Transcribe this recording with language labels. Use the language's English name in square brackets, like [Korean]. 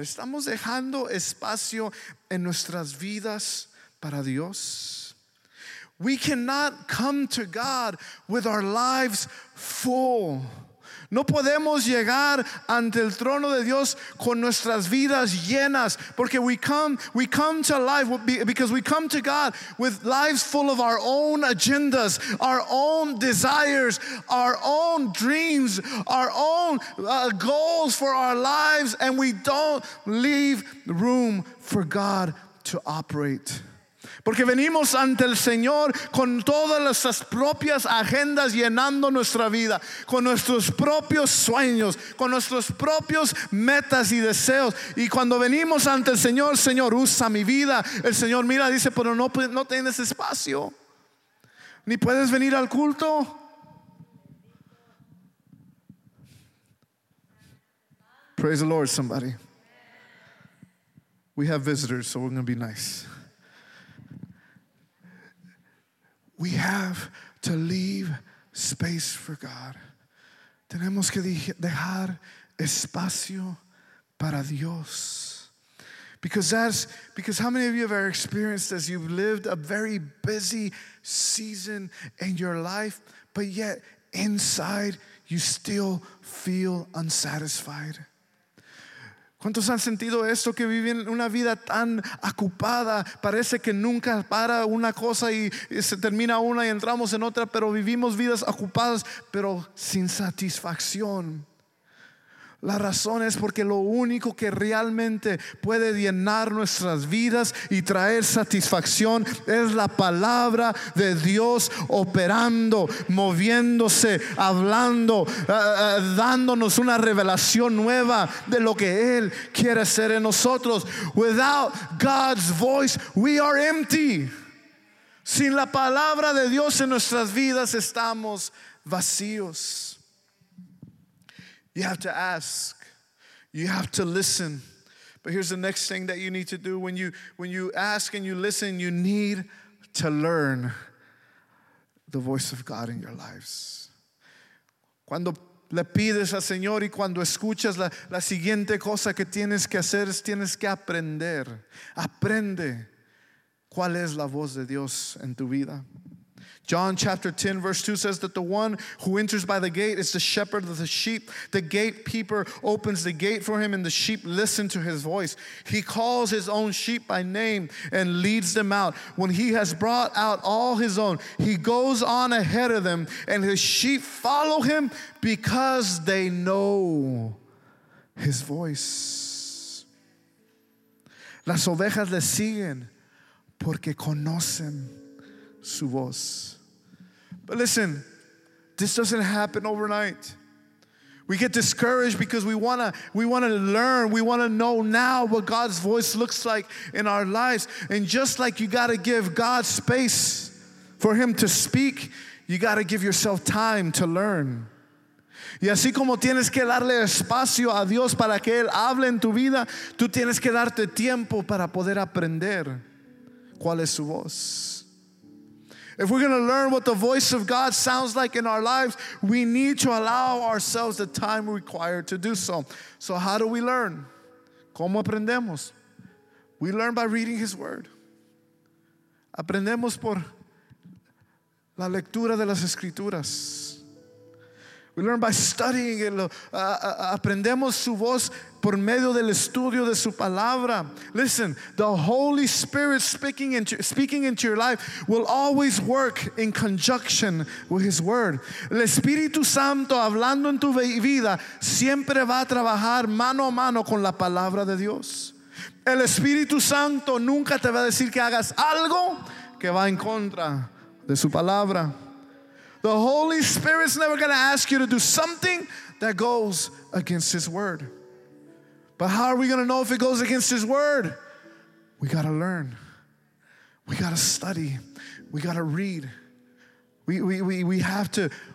[Spanish] ¿Estamos dejando espacio en nuestras vidas para Dios? [English] We cannot come to God with our lives full. [Spanish] No podemos llegar ante el trono de Dios con nuestras vidas llenas. [English] Porque we come to life because we come to God with lives full of our own agendas, our own desires, our own dreams, our own goals for our lives. And we don't leave room for God to operate. [Spanish] Porque venimos ante el Señor con todas nuestras propias agendas llenando nuestra vida, con nuestros propios sueños, con nuestros propios metas y deseos. Y cuando venimos ante el Señor, Señor, usa mi vida. El Señor mira, dice, pero no tienes espacio. Ni puedes venir al culto. [English] Praise the Lord, somebody. We have visitors, so we're going to be nice. We have to leave space for God. [Spanish] Tenemos que dejar espacio para Dios. [English] Because how many of you have ever experienced this? You've lived a very busy season in your life, but yet inside you still feel unsatisfied. [Spanish] ¿Cuántos han sentido esto que viven una vida tan ocupada? Parece que nunca para una cosa y se termina una y entramos en otra, pero vivimos vidas ocupadas, pero sin satisfacción. La razón es porque lo único que realmente puede llenar nuestras vidas y traer satisfacción es la palabra de Dios operando, moviéndose, hablando, dándonos una revelación nueva de lo que Él quiere hacer en nosotros. [English] Without God's voice, we are empty. [Spanish] Sin la palabra de Dios en nuestras vidas estamos vacíos. [English] You have to ask. You have to listen. But here's the next thing that you need to do. When you ask and you listen, you need to learn the voice of God in your lives. [Spanish] Cuando le pides al Señor y cuando escuchas, la siguiente cosa que tienes que hacer es tienes que aprender. Aprende cuál es la voz de Dios en tu vida. [English] John chapter 10 verse 2 says that the one who enters by the gate is the shepherd of the sheep. The gatekeeper opens the gate for him and the sheep listen to his voice. He calls his own sheep by name and leads them out. When he has brought out all his own, he goes on ahead of them and his sheep follow him because they know his voice. [Spanish] Las ovejas le siguen porque conocen su voz. [English] But listen, this doesn't happen overnight. We get discouraged because we want to learn. We want to know now what God's voice looks like in our lives. And just like you got to give God space for him to speak, you got to give yourself time to learn. [Spanish] Y así como tienes que darle espacio a Dios para que Él hable en tu vida, tú tienes que darte tiempo para poder aprender cuál es su voz. [English] If we're going to learn what the voice of God sounds like in our lives, we need to allow ourselves the time required to do so. So how do we learn? [Spanish] ¿Cómo aprendemos? [English] We learn by reading His word. [Spanish] Aprendemos por la lectura de las Escrituras. [English] We learn by studying it. [Spanish] Aprendemos su voz por medio del estudio de su palabra. [English] Listen, the Holy Spirit speaking into your life will always work in conjunction with His Word. [Spanish] El Espíritu Santo hablando en tu vida siempre va a trabajar mano a mano con la palabra de Dios. El Espíritu Santo nunca te va a decir que hagas algo que va en contra de su palabra. [English] The Holy Spirit's never going to ask you to do something that goes against His word. But how are we going to know if it goes against His word? We got to learn. We got to study. We got to read. We have to.